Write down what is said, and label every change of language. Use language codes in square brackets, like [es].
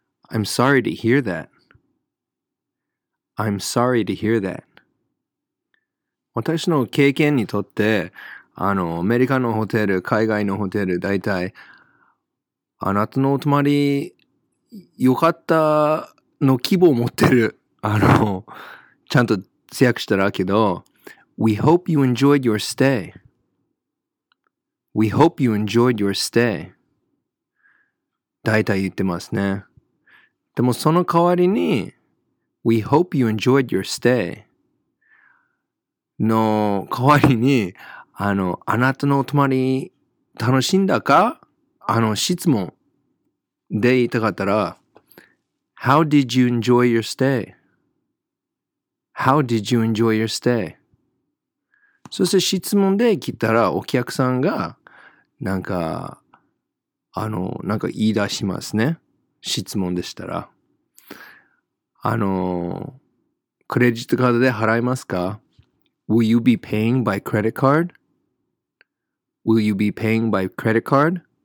[en] I'm sorry to hear that. I'm sorry to hear that. [ja] 私の経験にとって、アメリカのホテル、海外のホテル、大体、あなたのお泊まり、良かったの希望を持ってる。ちゃんと通訳したらけど、 [en] We hope you enjoyed your stay. [ja] We hope you enjoyed your stay. 大体言ってますね。でもその代わりに、 [en] We hope you enjoyed your stay. [ja] の代わりに、あなたのお泊まり楽しんだか? 質問で言いたかったら、 [en] How did you enjoy your stay? [ja] How did you enjoy your stay? そして質問で聞いたら、お客さんが、なんか言い出しますね。質問でしたら。クレジットカードで払いますか? [en] Will you be paying by credit card? Will you be paying by credit card?